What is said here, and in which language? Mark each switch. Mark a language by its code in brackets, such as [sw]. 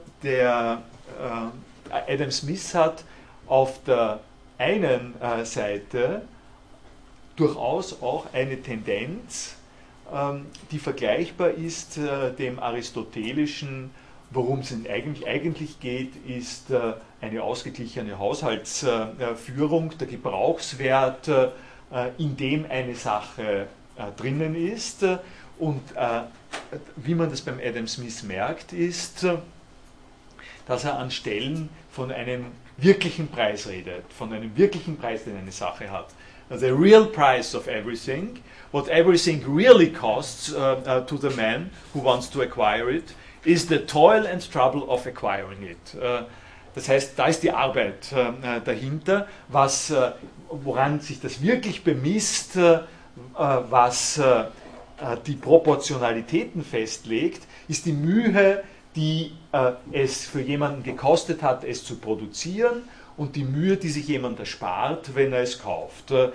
[de] Adam Smith hat auf der einen Seite durchaus auch eine Tendenz, die vergleichbar ist dem aristotelischen, worum es eigentlich geht, ist eine ausgeglichene Haushaltsführung, der Gebrauchswert, in dem eine Sache drinnen ist. Und wie man das beim Adam Smith merkt, ist, dass er an Stellen von einem wirklichen Preis redet, von einem wirklichen Preis, den eine Sache hat. [en] The real price of everything, what everything really costs to the man who wants to acquire it, is the toil and trouble of acquiring it. [de] Das heißt, da ist die Arbeit dahinter, was woran sich das wirklich bemisst, was die Proportionalitäten festlegt, ist die Mühe, die es für jemanden gekostet hat, es zu produzieren, und die Mühe, die sich jemand erspart, wenn er es kauft.